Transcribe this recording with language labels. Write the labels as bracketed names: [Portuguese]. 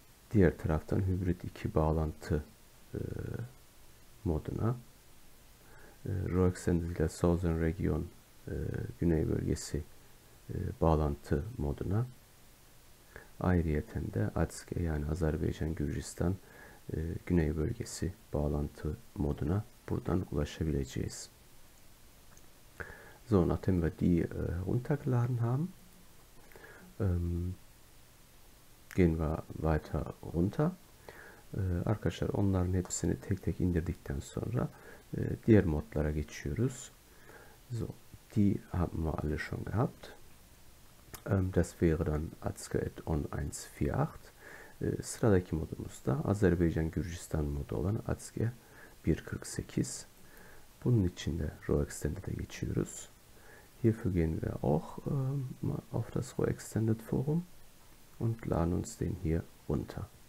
[Turkish] Diğer taraftan Hybrid 2 bağlantı moduna, Roexend ile Southern Region Güney Bölgesi bağlantı moduna, ayrıyeten de Atske yani Azerbaycan Gürcistan Güney Bölgesi bağlantı moduna buradan ulaşabileceğiz. [German] So, nachdem wir die runtergeladen haben, gehen wir weiter runter. [Turkish] Arkadaşlar, onların hepsini tek tek indirdikten sonra diğer modlara geçiyoruz. [German] So, die haben wir alle schon gehabt. Das wäre dann Atzke Add-on 148. [Turkish] Sıradaki modumuz da Azerbaycan-Gürcistan modu olan Atzke 148. Bunun için de Roextended'e de geçiyoruz. [German] Hierfür gehen wir auch auf das Roextended Forum und laden uns den hier runter.